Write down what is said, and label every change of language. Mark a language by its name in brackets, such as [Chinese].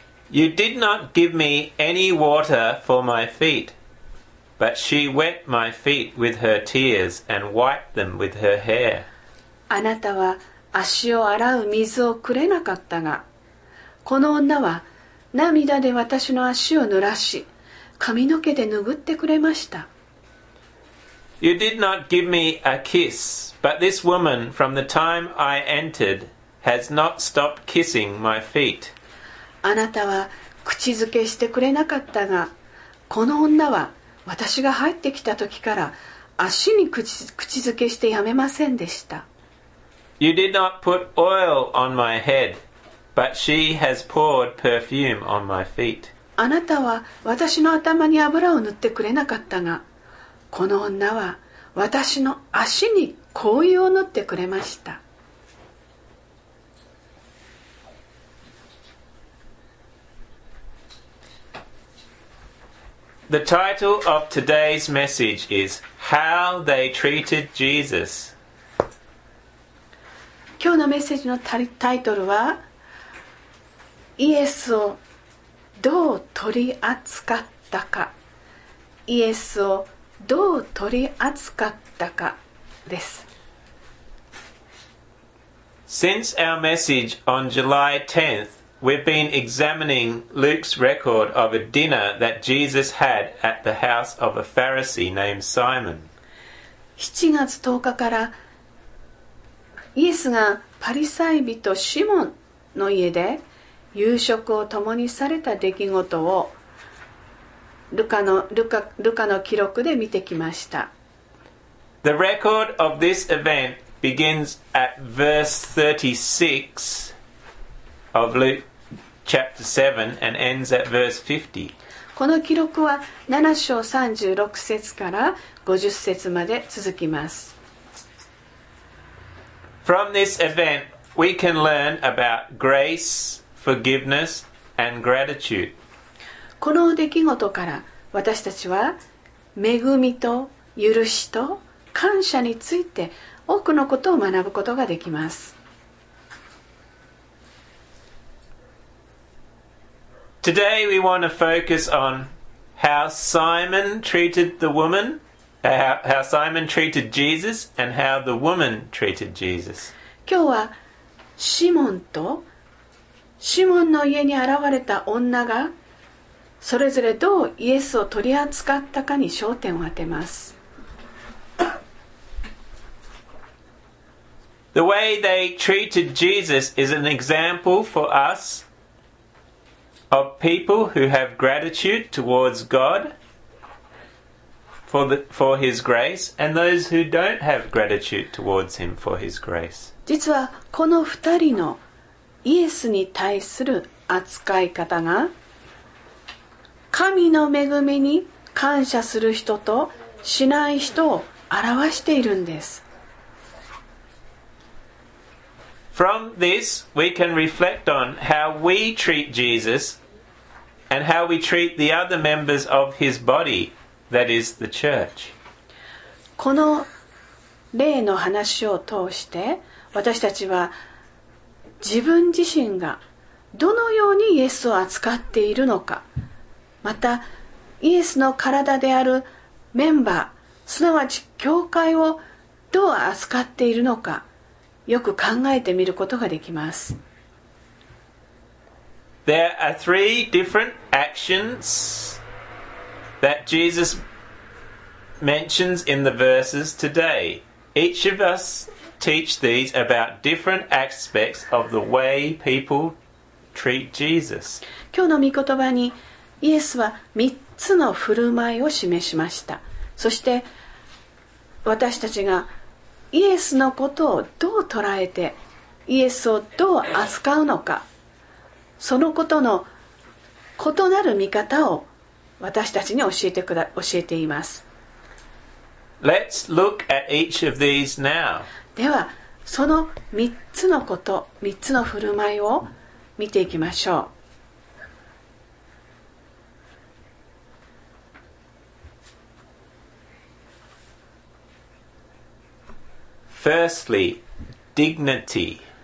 [English] You did not give me any water for my feet, but she wet my feet with her tears and wiped them with her hair. [Japanese] あなたは足を洗う水をくれなかったが、この女は涙で私の足を濡らし、髪の毛で拭ってくれました。 [English] You did not give me a kiss, but this woman from the time I entered has not stopped kissing my feet. [Japanese] あなたは口づけしてくれなかったが、この女は私が入ってきた時から足に口づけしてやめませんでした。 [English] You did not put oil on my head, but she has poured perfume on my feet. [Japanese] あなたは私の頭に油を塗ってくれなかったが、この女は私の足に香油を塗ってくれました。 [English] The title of today's message is How They Treated Jesus. [Japanese] 今日のメッセージのタイトルはイエスをどう取り扱ったか。イエスをどう取り扱ったかです。 [English] Since our message on July 10th,We've been examining Luke's record of a dinner that Jesus had at the house of a Pharisee named Simon. [Japanese] 7月10日からイエスがパリサイ人シモンの家で夕食を共にされた出来事をルカの記録で見てきました。 [English] The record of this event begins at verse 36 of Luke. Chapter 7 and ends at verse 50. [Japanese] この記録は7章36節から50節まで続きます。 [English] From this event, we can learn about grace, forgiveness, and gratitude. [Japanese] この出来事から私たちは恵みと許しと感謝について多くのことを学ぶことができます。 [English] Today we want to focus on how Simon treated the woman, how Simon treated Jesus, and how the woman treated Jesus. [Japanese] 今日はシモンとシモンの家に現れた女がそれぞれどうイエスを取り扱ったかに焦点を当てます。 [English] The way they treated Jesus is an example for us. Of people who have gratitude towards God for His grace, and those who don't have gratitude towards Him for His grace. [Japanese] 実はこの二人のイエスに対する扱い方が、神の恵みに感謝する人としない人を表しているんです。 [English] From this, we can reflect on how we treat Jesus. And how we treat the other members of his body, that is the church. [Japanese] この例の話を通して、私たちは自分自身がどのようにイエスを扱っているのか、またイエスの体であるメンバー、すなわち教会をどう扱っているのか、よく考えてみることができます。 [English] There are three different actions that Jesus mentions in the verses today. Each of us teach these about different aspects of the way people treat Jesus. [Japanese] 今日の御言葉にイエスは三つの振る舞いを示しました。そして私たちがイエスのことをどう捉えて、イエスをどう扱うのか、そのことの異なる見方を私たちに教えています。 [English] Let's look at each of these now. [Japanese] ではその三つのこと、三つの振る舞いを見ていきましょう。 [English] Firstly, dignity.